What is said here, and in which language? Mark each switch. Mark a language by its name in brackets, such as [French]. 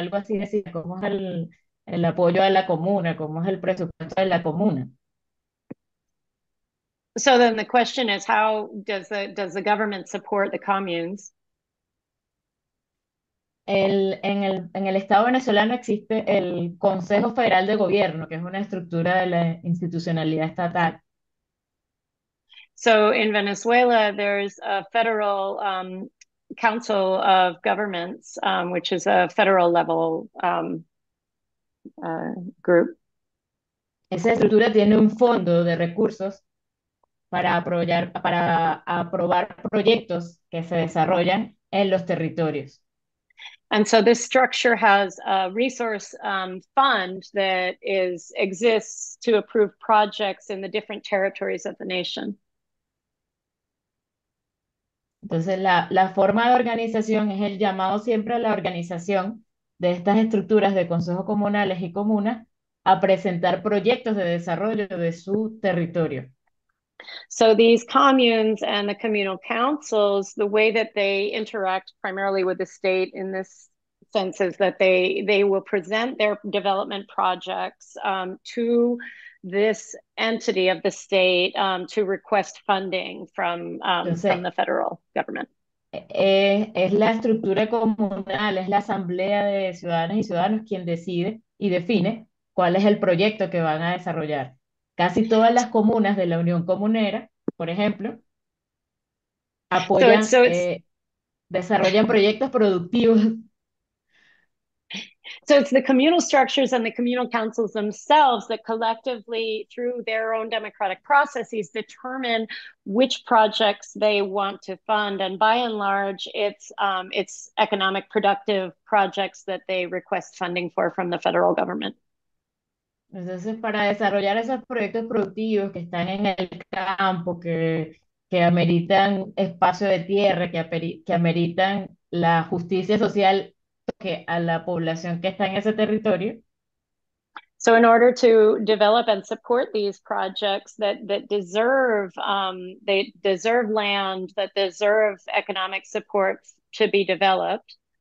[Spanish] Algo así decir, ¿cómo es el apoyo a la comuna? ¿Cómo es el presupuesto de la comuna? [English] So then the question is, how does the government support the communes? [Spanish] En el Estado venezolano existe el Consejo Federal de Gobierno, que es una estructura de la institucionalidad estatal. [English] So in Venezuela, there's a federal council of governments, which is a federal level group. [Spanish] Esa estructura tiene un fondo de recursos para aprobar proyectos que se desarrollan en los territorios. [English] And so this structure has a resource fund that exists to approve projects in the different territories of the nation. [Spanish] Entonces, la forma de organización es el llamado siempre a la organización de estas estructuras de consejos comunales y comunas a presentar proyectos de desarrollo de su territorio. [English] So these communes and the communal councils, the way that they interact primarily with the state in this sense is that they will present their development projects to this entity of the state to request funding from the federal government. [Spanish] Es la estructura comunal, es la asamblea de ciudadanas y ciudadanos quien decide y define cuál es el proyecto que van a desarrollar. Casi todas las comunas de la Unión Comunera, por ejemplo, apoyan, desarrollan proyectos productivos. [English] So it's the communal structures and the communal councils themselves that collectively, through their own democratic processes, determine which projects they want to fund. And by and large, it's economic productive projects that they request funding for from the federal government. [Spanish] Entonces, para desarrollar esos proyectos productivos que están en el campo, que ameritan espacio de tierra, que ameritan la justicia social, que a la población que está en ese territorio. [English] So in order to develop and support these projects that deserve they deserve land, that deserve economic support to be developed.